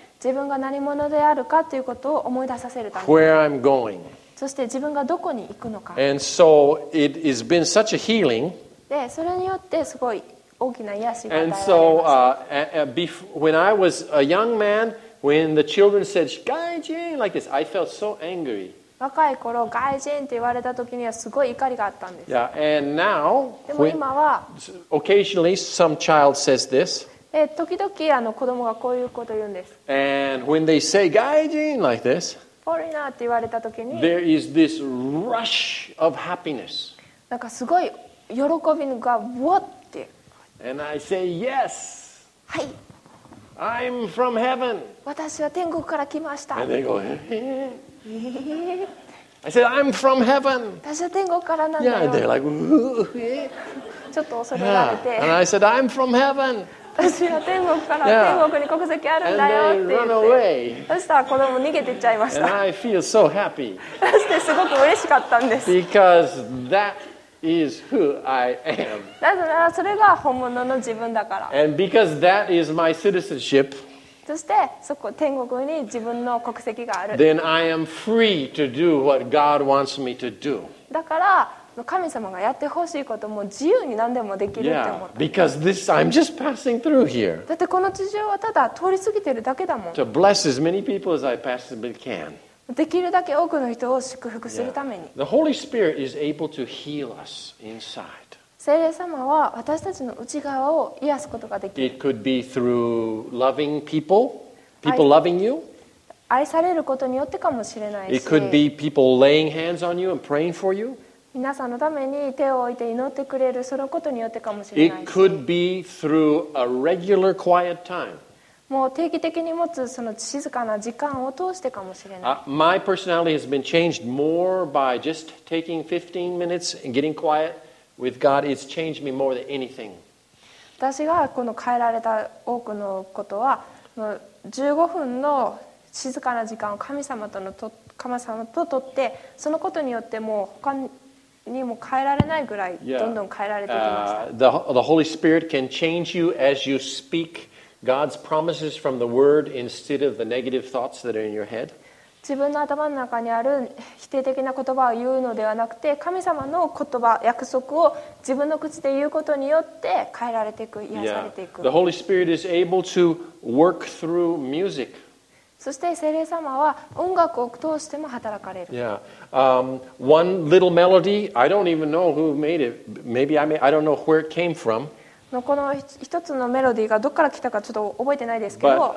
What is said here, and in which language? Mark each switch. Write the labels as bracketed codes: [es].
[ja] 自分が何者であるかということを思い出させるために。 [en] Where I'm going. [ja] そして自分がどこに行くのか。 [en] And so it has been such a healing. [ja] で、それによってすごい大きな癒しが与えられます。 [en] And so, when I was a young man, when the children said, "Gaijin," like this, I felt so angry. [ja] 若い頃、外人って言われた時にはすごい怒りがあったんです。 [en] Yeah, and now, [ja] でも今は、 [en] occasionally some child says this. [ja] 時々子供がこういうこと言うんです。 [en] And when they say 外人 like this, [ja] foreigner って言われた時に、 [en] there is this rush of happiness. [ja] なんかすごい喜びがわって。 [en] And I say yes. [ja] はい。 [en] I'm from heaven. [ja] 私は天国から来ました。 [en] And they go, hey. I said, I'm from heaven. [ja] 私は天国からなんだよ。 [en] Yeah, they're like, [ja] ちょっと恐れられて。 [en] And I said, I'm from heaven. [ja] 私は天国から、yeah. 天国に国籍あるんだよって言って。 [en] And they run away. [ja] そしたら子供逃げてっちゃいました。 [en] And I feel so happy. [ja] そしてすごく嬉しかったんです。 [en] Because that is who I am. [ja] だからそれが本物の自分だから。 [en] And because that is my citizenship. [ja] そしてそこ天国に自分の国籍がある。 [en] Then I am free to do what God wants me to do. [ja] だから神様がやってほしいことも自由に何でもできるって思った。 [en] Yeah, because this I'm just passing through here. [ja] だってこの地上はただ通り過ぎてるだけだもん。 [en] To bless as many people as I possibly can. [ja] できるだけ多くの人を祝福するために。 [en] Yeah. The Holy Spirit is able to heal us inside. [ja] 聖霊様は私たちの内側を癒すことができる。 [en] It could be through loving people loving you. [ja] 愛されることによってかもしれないし。 [en] It could be people laying hands on you and praying for you. [ja] 皆さんのために手を置いて祈ってくれるそのことによってかもしれないし。 [en] It could be through a regular quiet time. [ja] もう定期的に持つその静かな時間を通してかもしれない。 [en] My personality has been changed more by just taking 15 minutes and getting quiet. With God, it's changed me more than anything. [ja] 私がこの変えられた多くのことは、15分の静かな時間を神様と取って、そのことによってもう他にも変えられないぐらいどんどん変えられてきました。 [en] The Holy Spirit can change you as you speak God's promises from the Word instead of the negative thoughts that are in your head. [ja] 自分の頭の中にある否定的な言葉を言うのではなくて、神様の言葉、約束を自分の口で言うことによって変えられていく、癒されていく。 [en] Yeah. The Holy Spirit is able to work through music. [ja] そして聖霊様は音楽を通しても働かれる。 [en] Yeah. One little melody. I don't even know who made it. Maybe I don't know where it came from. [ja] この一つのメロディーがどこから来たかちょっと覚えてないですけど。